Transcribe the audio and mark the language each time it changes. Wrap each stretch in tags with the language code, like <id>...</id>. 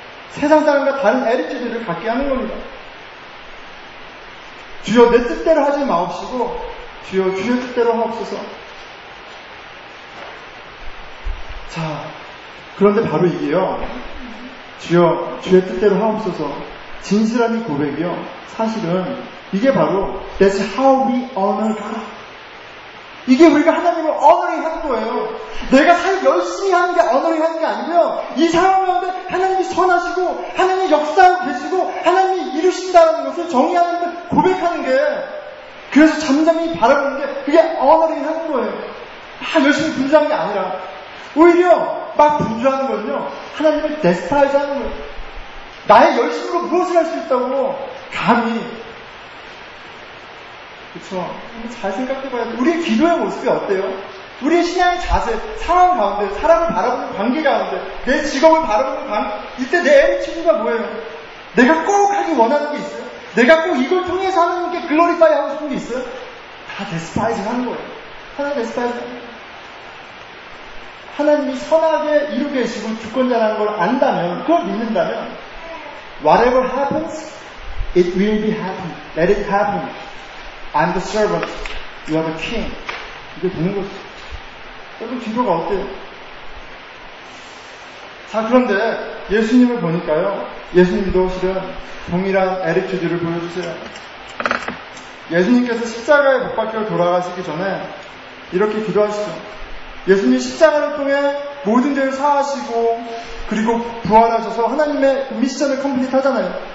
<ko>세상 사람과 다른 에리티드를 갖게 하는 겁니다. 주여 내 뜻대로 하지 마옵시고 주여 주의 뜻대로 하옵소서. 자, 그런데 바로 이게요. 주여 주의 뜻대로 하옵소서. 진실한 이 고백이요. 사실은 이게 바로</ko> <en>That's how we honor God.</en> <ko>이게 우리가 하나님을 honoring 하는 거예요. 내가 살 열심히 하는 게 honoring 하는 게 아니고요. 이 상황 가운데 하나님이 선하시고 하나님이 역사하고 계시고 하나님이 이루신다는 것을 정의하는 것을 고백하는 게, 그래서 잠잠히 바라보는 게 그게 honoring 하는 거예요. 막 열심히 분주하는 게 아니라 오히려 막 분주하는 거는요 하나님을 despise 하는 거예요. 나의 열심으로 무엇을 할 수 있다고 감히. 그렇죠. 잘 생각해봐야 돼. 우리의 기도의 모습이 어때요? 우리의 신앙의 자세, 상황 가운데, 사람을 바라보는 관계 가운데, 내 직업을 바라보는 관계, 이때 내 친구가 뭐예요? 내가 꼭 하기 원하는 게 있어요? 내가 꼭 이걸 통해서 하는 게 글로리파이 하고 싶은 게 있어요? 다 데스파이징 하는 거예요. 하나님 데스파이징 하는 거예요. 하나님이 선하게 이루고 계시고 주권자라는 걸 안다면, 그걸 믿는다면,</ko> <en>whatever happens, it will be happen. Let it happen. I'm the servant, you are the king.</en> <ko>이게 되는 거죠. 여러분, 기도가 어때요? 자, 그런데 예수님을 보니까요, 예수님도 실은 동일한 에리튜드를 보여주세요. 예수님께서 십자가에 못 박혀 돌아가시기 전에 이렇게 기도하시죠. 예수님 십자가를 통해 모든 죄를 사하시고 그리고 부활하셔서 하나님의 미션을 컴플릿 하잖아요.</ko>